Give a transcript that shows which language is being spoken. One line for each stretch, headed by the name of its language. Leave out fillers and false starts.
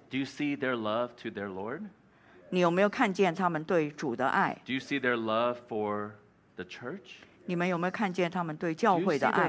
English: Do you see their love to their Lord?
Chinese: 你有没有看见他们对主的爱
English: ？Do you see their love for the church?
Chinese: 你们有没有看见他们对教会的爱